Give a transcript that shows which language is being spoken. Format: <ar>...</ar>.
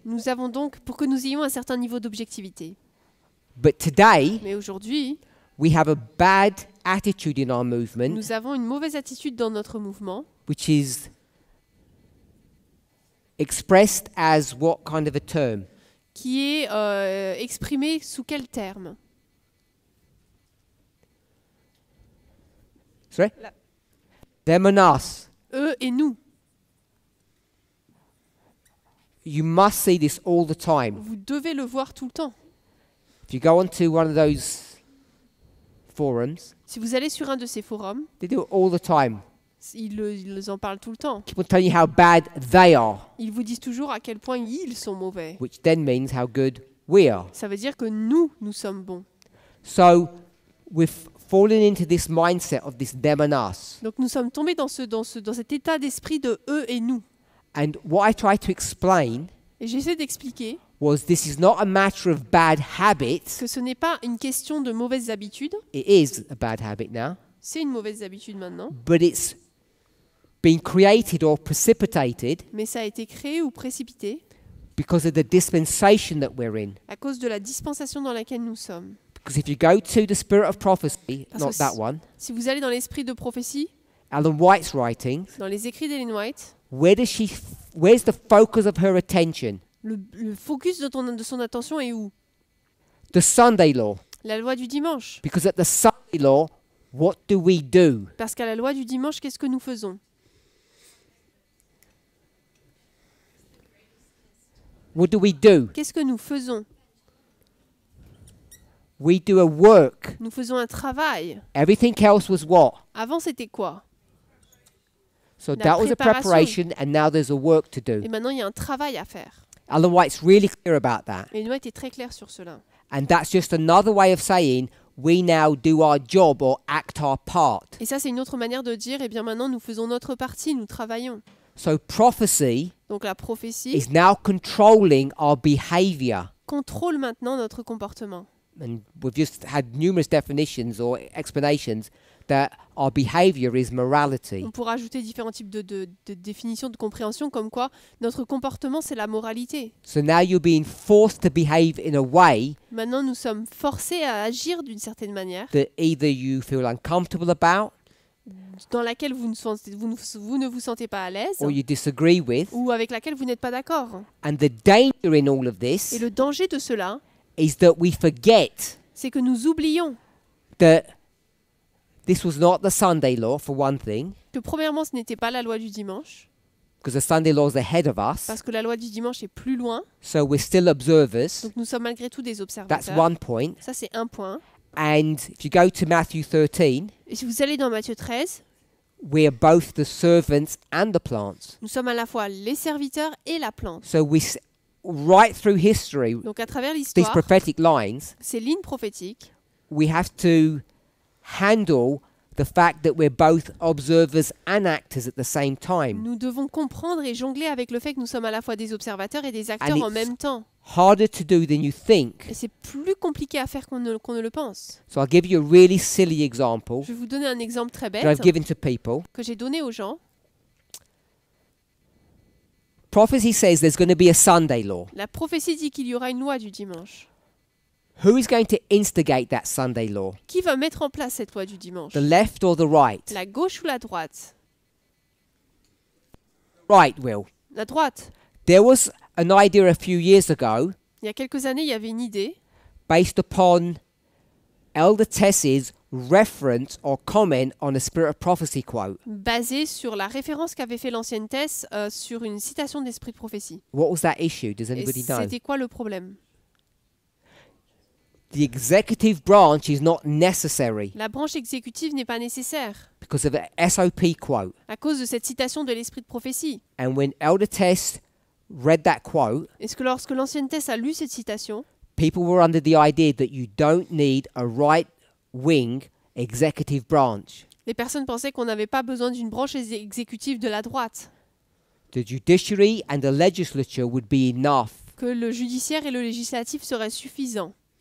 <fr>Nous avons donc, pour que nous ayons un certain niveau d'objectivité.</fr> <en>But today,</en> <fr>mais aujourd'hui,</fr> <en>we have a bad attitude in our movement.</en> <fr>Nous avons une mauvaise attitude dans notre mouvement,</fr> <en>which is expressed as what kind of a term?</en> <fr>Qui est exprimé sous quel terme?</fr> <en>Sorry? Them and us.</en> <fr>Eux et nous.</fr> <en>You must see this all the time.</en> <fr>Vous devez le voir tout le temps.</fr> <en>If you go onto one of those forums,</en> <fr>si vous allez sur un de ces forums,</fr> <en>they do it all the time.</en> <fr>Ils en parlent tout le temps.</fr> <en>People tell you how bad they are.</en> <fr>Ils vous disent toujours à quel point ils sont mauvais.</fr> <en>Which then means how good we are.</en> <fr>Ça veut dire que nous sommes bons.</fr> <en>So we've fallen into this mindset of this them and us.</en> <fr>Donc nous sommes tombés dans cet état d'esprit de eux et nous.</fr> <en>And what I try to explain.</en> <fr>Et j'essaie d'expliquer.</fr> <en>Was this is not a matter of bad habits.</en> <fr>Que ce n'est pas une question de mauvaises habitudes.</fr> <en>It is a bad habit now.</en> <fr>C'est une mauvaise habitude maintenant.</fr> <en>But it's been created or precipitated.</en> <fr>Mais ça a été créé ou précipité.</fr> <en>Because of the dispensation that we're in.</en> <fr>À cause de la dispensation dans laquelle nous sommes.</fr> <en>Because if you go to the spirit of prophecy, not that one.</en> <fr>Si vous allez dans l'esprit de prophétie.</fr> <en>Ellen White's writing.</en> <fr>Dans les écrits d'Ellen White.</fr> <en>Where does she? Where's the focus of her attention?</en> <fr>Le focus de son attention est où?</fr> <en>The Sunday law.</en> <fr>La loi du dimanche.</fr> <en>Because at the Sunday law, what do we do?</en> <fr>Parce qu'à la loi du dimanche, qu'est-ce que nous faisons?</fr> <en>What do we do?</en> <fr>Qu'est-ce que nous faisons?</fr> <en>We do a work.</en> <fr>Nous faisons un travail.</fr> <en>Everything else was what?</en> <fr>Avant c'était quoi?</fr> <en>So la that was a preparation, and now there's a work to do.</en> <fr>Et maintenant il y a un travail à faire.</fr> <en>Ellen White's really clear about that.</en> <fr>Et Ellen White est très claire sur cela.</fr> <en>And that's just another way of saying we now do our job or act our part.</en> <fr>Et ça c'est une autre manière de dire eh bien maintenant nous faisons notre partie, nous travaillons.</fr> <en>So prophecy.</en> <fr>Donc la prophétie.</fr> <en>Is now controlling our behavior.</en> <fr>Contrôle maintenant notre comportement.</fr> <en>And we've just had numerous definitions or explanations that our behavior is morality.</en> <fr>On pourrait ajouter différents types de définitions de compréhension comme quoi notre comportement c'est la moralité.</fr> <en>So now you're being forced to behave in a way.</en> <fr>Maintenant nous sommes forcés à agir d'une certaine manière.</fr> <en>That either you feel uncomfortable about.</en> <fr>Dans laquelle vous ne vous sentez pas à l'aise.</fr> <en>Or you disagree with.</en> <fr>Ou avec laquelle vous n'êtes pas d'accord.</fr> <en>And the danger in all of this.</en> <fr>Et le danger de cela.</fr> <en>Is that we forget?</en> <fr>C'est que nous oublions.</fr> <en>That this was not the Sunday law for one thing.</en> <fr>Que premièrement, ce n'était pas la loi du dimanche.</fr> <en>Because the Sunday law is ahead of us.</en> <fr>Parce que la loi du dimanche est plus loin.</fr> <en>So we're still observers.</en> <fr>Donc nous sommes malgré tout des observateurs.</fr> <en>That's one point.</en> <fr>Ça c'est un point.</fr> <en>And if you go to Matthew 13.</en> <fr>Et si vous allez dans Matthieu 13.</fr> <en>We are both the servants and the plants.</en> <fr>Nous sommes à la fois les serviteurs et la plante.</fr> <en>So we. Right through history,</en> <fr>donc à travers l'histoire,</fr> <en>these prophetic lines,</en> <fr>ces lignes prophétiques,</fr> <en>we have to handle the fact that we're both observers and actors at the same time.</en> <fr>Nous devons comprendre et jongler avec le fait que nous sommes à la fois des observateurs et des acteurs</fr> <en>and</en> <fr>en même temps.</fr> <en>Harder to do than you think.</en> <fr>Et c'est plus compliqué à faire qu'on ne le pense.</fr> <en>So I'll give you a really silly example.</en> <fr>Je vais vous donner un exemple très bête</fr> <en>that I've given to people.</en> <fr>Que j'ai donné aux gens.</fr> <en>Prophecy says there's going to be a Sunday law.</en> <fr>La prophétie dit qu'il y aura une loi du dimanche.</fr> <en>Who is going to instigate that Sunday law?</en> <fr>Qui va mettre en place cette loi du dimanche?</fr> <en>The left or the right?</en> <fr>La gauche ou la droite?</fr> <en>Right, Will.</en> <fr>La droite.</fr> <en>There was an idea a few years ago.</en> <fr>Il y a quelques années, il y avait une idée.</fr> <en>Based upon Elder Tess's reference or comment on a spirit of prophecy quote.</en> <fr>Basé sur la référence qu'avait fait l'ancienne Tess sur une citation d'esprit de prophétie.</fr> <en>What was that issue? Does anybody know?</en> <fr>C'était quoi le problème?</fr> <en>The executive branch is not necessary.</en> <fr>La branche exécutive n'est pas nécessaire.</fr> <en>Because of an SOP quote.</en> <fr>À cause de cette citation de l'esprit de prophétie.</fr> <en>And when Elder Tess read that quote.</en> <fr>Est-ce que lorsque l'ancienne Tess a lu cette citation?</fr> <en>People were under the idea that you don't need a right wing executive branch.</en> <fr>Les personnes pensaient qu'on n'avait pas besoin d'une branche exécutive de la droite.</fr> <en>The judiciary and the legislature would be enough.</en> <fr>Que le judiciaire et le législatif seraient suffisants.</fr>